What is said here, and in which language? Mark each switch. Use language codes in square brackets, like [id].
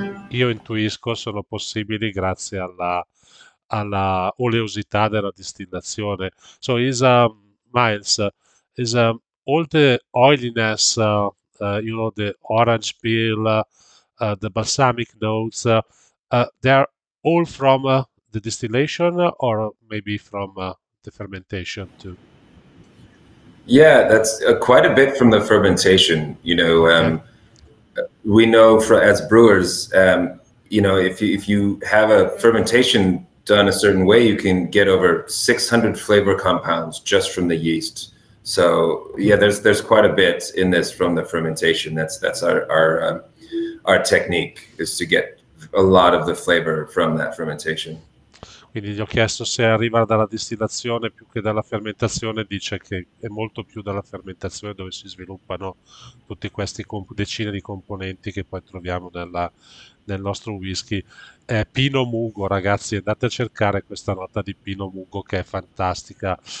[it] Io intuisco, sono possibili grazie alla oleosità della distillazione. [en] So is Miles, is all the oiliness, you know, the orange peel, the balsamic notes, they're all from the distillation or maybe from the fermentation too? Yeah, that's quite a bit from the fermentation, you know. We know as brewers, you know, if you have a fermentation done a certain way, you can get over 600 flavor compounds just from the yeast. So yeah, there's quite a bit in this from the fermentation. That's our technique, is to get a lot of the flavor from that fermentation. [it] Quindi gli ho chiesto se arriva dalla distillazione più che dalla fermentazione, dice che è molto più dalla fermentazione dove si sviluppano tutti questi decine di componenti che poi troviamo nel nostro whisky. È Pinot Mugo, ragazzi, andate a cercare questa nota di Pinot Mugo che è fantastica.